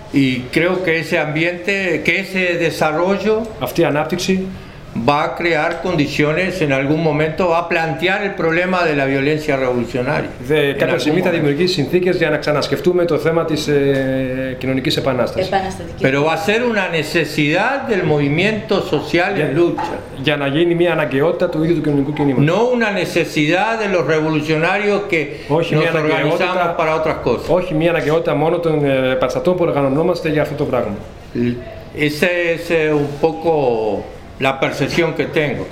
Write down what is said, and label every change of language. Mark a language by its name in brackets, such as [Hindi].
[Spanish] Y creo que ese ambiente, que ese desarrollo. [Greek] Αυτή η ανάπτυξη. [Spanish] Va a crear condiciones en algún momento, va a plantear el problema de la violencia revolucionaria. [Greek] De κάποια στιγμή θα δημιουργήσει συνθήκες για να ξανασκεφτούμε το θέμα της κοινωνικής επανάστασης. [Spanish] Pero va a ser una necesidad del movimiento social en lucha. [Greek] Για να γίνει μια αναγκαιότητα του ίδιου του κοινωνικού κινήματος. [Spanish] No una necesidad de los revolucionarios que nos organizamos para otras cosas. [Greek] Όχι μια αναγκαιότητα μόνο των επαναστατών που οργανωνόμαστε για αυτό το πράγμα. [Spanish] Ese es un poco la percepción que tengo.